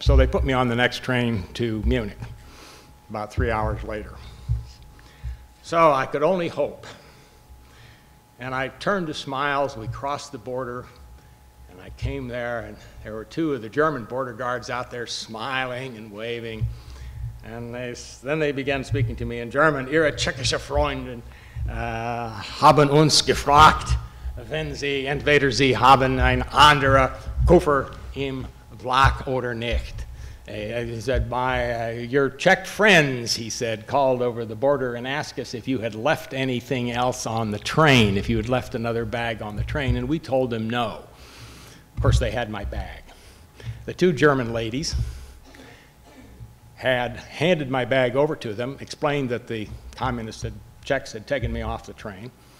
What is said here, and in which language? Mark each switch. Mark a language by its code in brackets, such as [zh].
[en] So they put me on the next train to Munich about 3 hours later. So I could only hope. And I turned to smiles, we crossed the border, and I came there, and there were two of the German border guards out there smiling and waving. And then they began speaking to me in German, [de] Ihre tschechische Freundin haben uns gefragt, wenn sie entweder sie haben ein anderer Koffer im Vlak oder nicht. [en] He said, your Czech friends, he said, called over the border and asked us if you had left anything else on the train, if you had left another bag on the train, and we told them no. Of course, they had my bag. The two German ladies had handed my bag over to them, explained that the communists had, Czechs had taken me off the train.